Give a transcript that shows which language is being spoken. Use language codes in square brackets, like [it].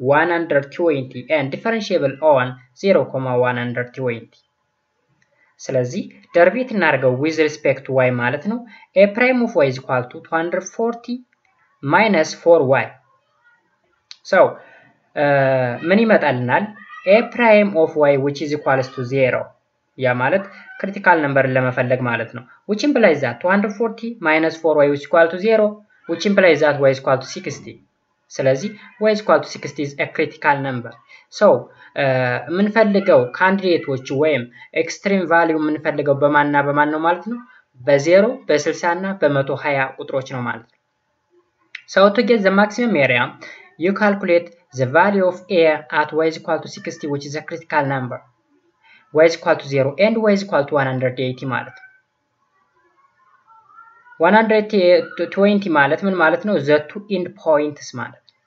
[en] 0,120 and differentiable on 0,120. [am] ስለዚህ ደርቤት እናርገው [en] with respect to y [am] ማለት ነው [en] a prime of y is equal to 240 minus 4y. [am] So, ምን ይመጣልናል? [en] A prime of y which is equal to 0. [am] ያ ማለት critical number ለመፈለግ ማለት ነው. [en] Which implies that 240 minus 4y which is equal to 0. Which implies that y is equal to 60. ስለዚህ y is equal to 60 is a critical number. [am] So, ምንፈልገው candidates ወይም extreme value ምንፈልገው በማንና በማን ነው ማለት ነው? በ0 በ60 እና በ120 ቁጥሮች ነው ማለት ነው. [en] So, to get the maximum area, you calculate the value of a at y is equal to 60, which is a critical number. Y is equal to 0 and y is equal to 180 [am] ማለት ነው. 120 ማለት ምን ማለት ነው? [en] The two end points [am] ማለት.